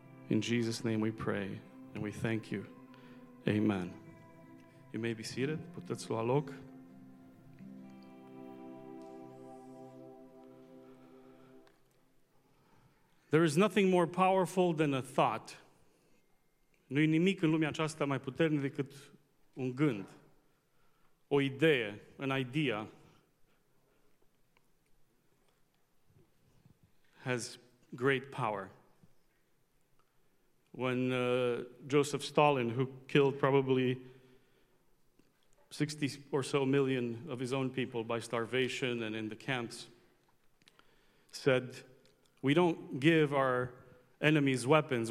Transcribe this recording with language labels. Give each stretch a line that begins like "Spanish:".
English: In Jesus' name we pray and we thank you. Amen. You may be seated.
Romanian: Puteți lua loc.
English: There is nothing more powerful than a thought.
Romanian: Nu-i nimic în lumea aceasta mai puternic decât un gând, o idee,
English: an idea has great power. When Joseph Stalin, who killed probably 60 or so million of his own people by starvation and in the camps, said, "We don't give our enemies weapons.